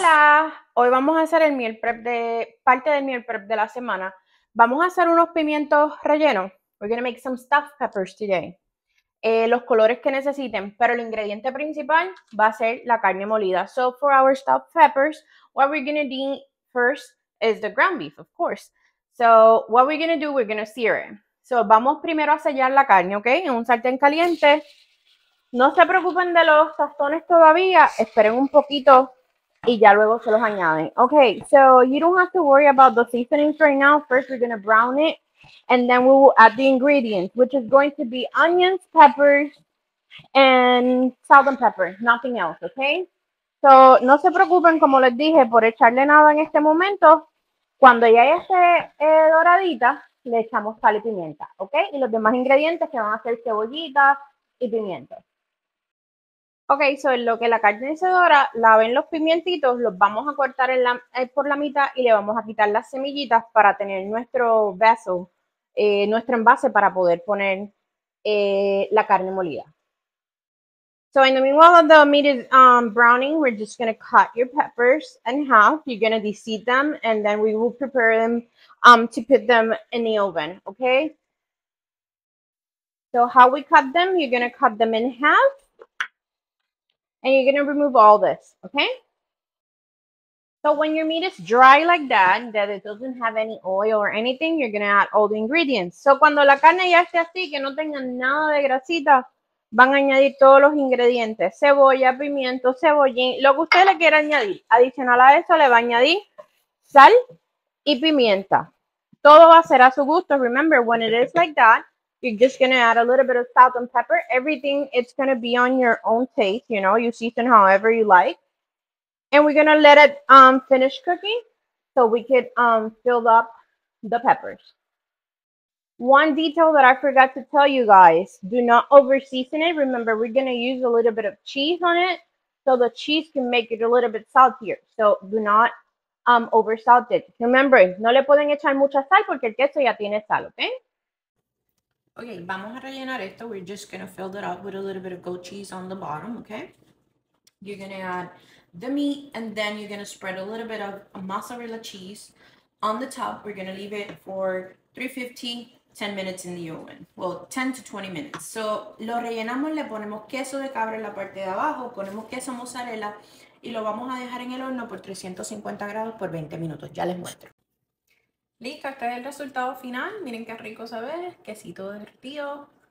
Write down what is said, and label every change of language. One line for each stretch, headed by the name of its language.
Spanish: Hola, hoy vamos a hacer el meal prep de parte del meal prep de la semana. Vamos a hacer unos pimientos rellenos.
English: We're gonna make some stuffed peppers today.
Spanish: Los colores que necesiten, pero el ingrediente principal va a ser la carne molida.
English: So for our stuffed peppers, what we're gonna need first is the ground beef, of course. So what we're gonna do, we're gonna sear it.
Spanish: So vamos primero a sellar la carne, ¿ok? En un sartén caliente. No se preocupen de los tostones todavía, esperen un poquito y ya luego se los añaden.
English: Okay, so you don't have to worry about the seasonings right now. First, we're gonna brown it, and then we will add the ingredients, which is going to be onions, peppers, and salt and pepper, nothing else, okay?
Spanish: So no se preocupen, como les dije, por echarle nada en este momento. Cuando ya esté doradita, le echamos sal y pimienta, okay? Y los demás ingredientes que van a ser cebollita y pimiento. Okay, so en lo que la carne se dora, laven los pimientitos, los vamos a cortar en por la mitad y le vamos a quitar las semillitas para tener nuestro vessel, nuestro envase para poder poner la carne molida.
English: So in the meanwhile, the meat is browning, we're just going to cut your peppers in half. You're going to deseed them and then we will prepare them to put them in the oven, okay? So how we cut them, you're going to cut them in half. And you're gonna remove all this, okay? So when your meat is dry like that it doesn't have any oil or anything, you're gonna add all the ingredients.
Spanish: So cuando la carne ya esté así, que no tenga nada de grasita, van a añadir todos los ingredientes: cebolla, pimiento, cebollín, lo que usted le quiera añadir. Adicional a eso, le va a añadir sal y pimienta. Todo va a ser a su gusto.
English: Remember, when it is like that, you're just gonna add a little bit of salt and pepper. Everything, it's gonna be on your own taste. You know, you season however you like. And we're gonna let it finish cooking so we could fill up the peppers. One detail that I forgot to tell you guys, do not over-season it. Remember, we're gonna use a little bit of cheese on it so the cheese can make it a little bit saltier. So do not over-salt it.
Spanish: Remember, no le pueden echar mucha sal porque el queso ya tiene sal, okay? Okay, vamos a rellenar esto.
English: We're just gonna fill it up with a little bit of goat cheese on the bottom, okay? You're gonna add the meat and then you're gonna spread a little bit of mozzarella cheese on the top. We're gonna leave it for 350, 10 minutes in the oven. Well, 10 to 20 minutes.
Spanish: So, lo rellenamos, le ponemos queso de cabra en la parte de abajo, ponemos queso mozzarella y lo vamos a dejar en el horno por 350 grados por 20 minutos. Ya les muestro. Listo, este es el resultado final. Miren qué rico se ve, quesito derretido.